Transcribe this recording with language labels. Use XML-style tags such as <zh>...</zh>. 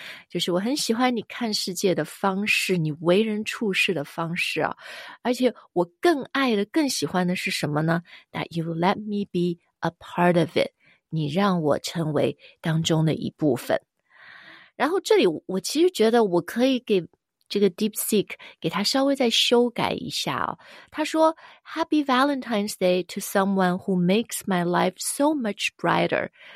<zh>就是我很喜欢你看世界的方式，你为人处事的方式啊。而且我更爱的，更喜欢的是什么呢？</zh> <en>That you let me be a part of it.</en> <zh>你让我成为当中的一部分。然后这里我其实觉得我可以给这个 DeepSeek 给他稍微再修改一下哦。他说</zh> <en>Happy Valentine's Day to someone who makes my life so much brighter.</en>